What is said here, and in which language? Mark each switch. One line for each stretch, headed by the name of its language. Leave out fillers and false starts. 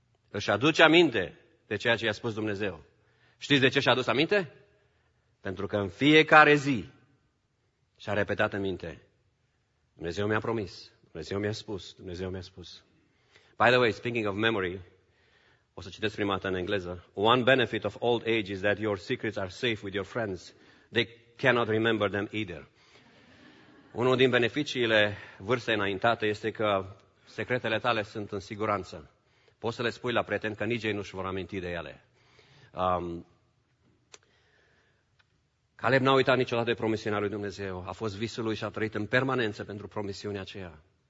Romanian: Își aduce aminte de ceea ce i-a spus Dumnezeu. Știți de ce și-a adus aminte? Pentru că în fiecare zi și-a repetat în minte. Dumnezeu mi-a promis, Dumnezeu mi-a spus, Dumnezeu mi-a spus.
English: By the way, speaking of memory,
Romanian: o să citesc prima dată în engleză.
English: One benefit of old age is that your secrets are safe with your friends. They cannot remember them either.
Romanian: Unul din beneficiile vârstei înaintate este că secretele tale sunt în siguranță. Poți să le spui la prieteni că nici ei nu-și vor aminti de ele. Caleb n-a uitat niciodată de promisiunea lui Dumnezeu. A fost visul lui și a trăit în permanență pentru promisiunea aceea.